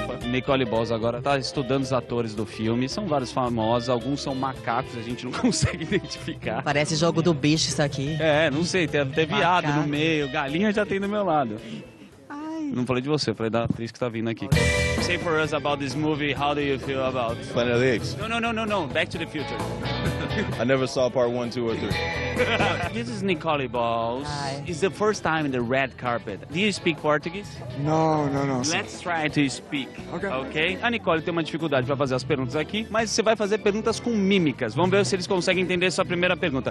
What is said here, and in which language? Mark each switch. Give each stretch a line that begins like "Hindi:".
Portuguese: Nicole Bosa agora tá estudando os atores do filme. São vários famosos, alguns são macacos, a gente não consegue identificar. Parece jogo do bicho isso aqui. É, não sei, tem viado no meio, galinha já tem do meu lado. Não falei de você, falei da atriz que tá vindo aqui.
English: Say for us about this movie, how do you feel about Planet of the Apes? No, Back to the Future. I never saw part 1, 2 or 3. This is Nicole Bosa. It's the first time in the red carpet. Do you speak Portuguese? No. Let's try to speak. Okay?
Portuguese: A Nicole tem uma dificuldade para fazer as perguntas aqui, mas você vai fazer perguntas com mímicas. Vamos ver se eles conseguem entender sua primeira pergunta.